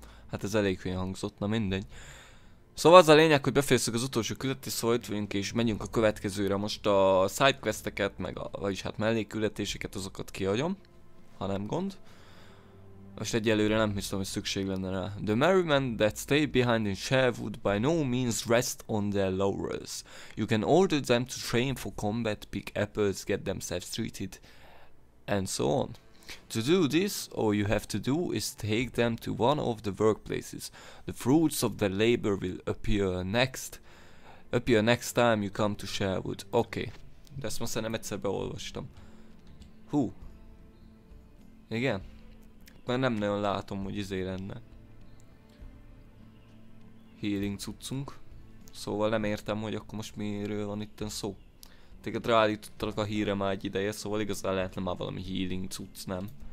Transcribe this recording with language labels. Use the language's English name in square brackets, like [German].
[Hungarian] Hát ez elég hülyen hangzott, na mindegy. Szóval az a lényeg, hogy befejeztük az utolsó küldetés, szóval itt vagyunk és megyünk a következőre. Most a sidequesteket, meg a, vagyis hát mellékküldetéseket, azokat kihagyom, ha nem gond. Most egyelőre nem hiszem, hogy szükség lenne rá. [English] The merry men that stay behind in Sherwood by no means rest on their laurels. You can order them to train for combat, pick apples, get themselves treated, and so on. To do this, all you have to do is take them to one of the workplaces. The fruits of their labor will appear next time you come to Sherwood. Okay. [Hungarian] De ezt most nem egyszer beolvastam. Hú. Igen. Mert nem nagyon látom, hogy izé lenne healing cuccunk. Szóval nem értem, hogy akkor most miről van itten szó. Téged ráállítottak a híre már egy ideje, szóval igazán lehetne már valami healing cucc, nem?